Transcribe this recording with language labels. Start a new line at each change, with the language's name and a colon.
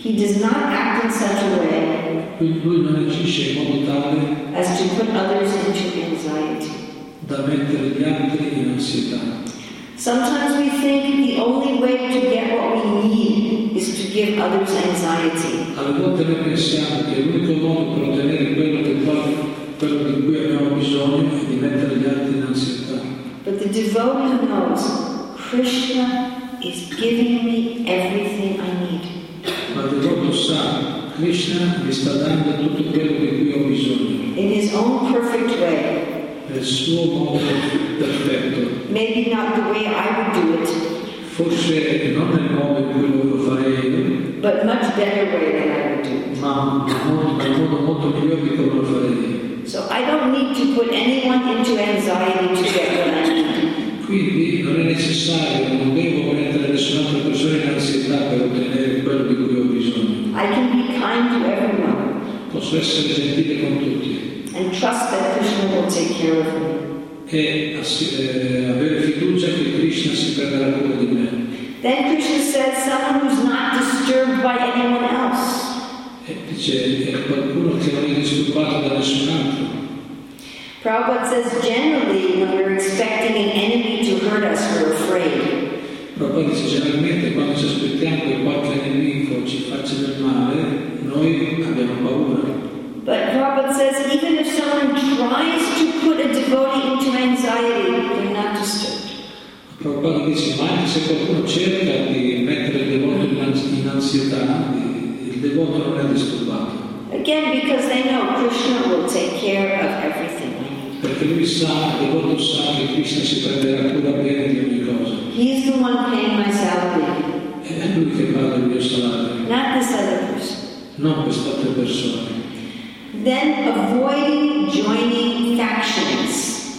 English: he does not act in such a way,
Italian: lui non agisce in modo tale
English: as to put others into anxiety,
Italian: da mettere gli altri in ansietà.
English: Sometimes we think the only way to get what we need is to give others anxiety.
Italian: A volte noi pensiamo che l'unico modo per ottenere quello di cui abbiamo bisogno è di mettere gli altri in ansietà.
English: But the devotee knows Krishna is giving me everything I need.
Italian: Ma il devoto sa, Krishna mi sta dando tutto quello di cui ho bisogno.
English: In his own perfect way.
Italian: Nel suo modo perfetto.
English: Maybe not the way I would do it.
Italian: Forse non nel modo in cui lo farei io.
English: But much better way than I would do it.
Italian: Ma in modo molto migliore di come lo farei io.
English: So I don't need to put anyone into anxiety to get what I need.
Italian: Quindi non è necessario, non devo mettere nessun'altra persona in ansietà per ottenere quello di cui ho bisogno.
English: I can be kind to everyone.
Italian: Posso essere gentile con tutti.
English: And trust that Krishna will take care of me.
Italian: che avere fiducia che Krishna si prenderà cura di me.
English: Then Krishna said, someone who's not disturbed by anyone else.
Italian: E dice, è qualcuno che non è disturbato da nessun altro.
English: Prabhupada says, generally, when we're expecting an enemy to hurt us, we're afraid.
Italian: Prabhupada dice, generalmente, quando ci aspettiamo che qualche nemico ci faccia del male, noi abbiamo paura.
English: But Prabhupada says, even if someone tries to put a devotee into anxiety, they're not disturbed.
Italian: Prabhupada dice, ma anche se qualcuno cerca di mettere il devoto in ansietà, il devoto non è disturbato.
English: Again, because they know Krishna will take care of everything.
Italian: Perché lui sa, il devoto sa che Krishna si prenderà cura bene di ogni cosa.
English: He is the one paying my salary.
Italian: E è lui che paga il mio salario.
English: Not this other person.
Italian: Non quest'altra persona.
English: Then avoid joining factions.